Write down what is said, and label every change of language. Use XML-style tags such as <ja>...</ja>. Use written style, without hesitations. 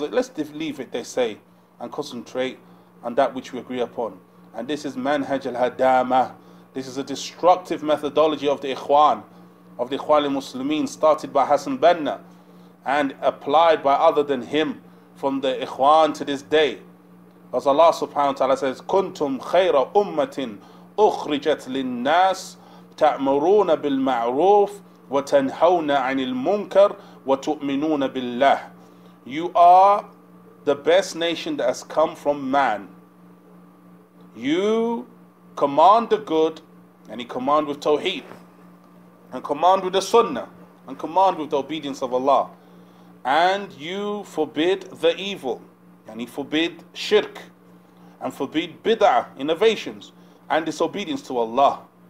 <en>Let's leave it, they say, and concentrate on that which we agree upon. And this is manhaj al-hadama. This is a destructive methodology of the Ikhwan, of the Ikhwan al-Muslimin, started by Hassan Banna and applied by other than him from the Ikhwan to this day. As Allah subhanahu wa ta'ala says,</en> <ar>كُنْتُمْ خَيْرَ أُمَّةٍ أُخْرِجَتْ لِلنَّاسِ تَأْمُرُونَ بِالْمَعْرُوفِ وَتَنْهَوْنَ عَنِ الْمُنْكَرِ وَتُؤْمِنُونَ بِاللَّهِ.</ar> <en>You are the best nation that has come from man. You command the good, and you command with Tawheed, and command with the Sunnah, and command with the obedience of Allah. And you forbid the evil, and you forbid shirk, and forbid bid'ah, innovations, and disobedience to Allah.</en>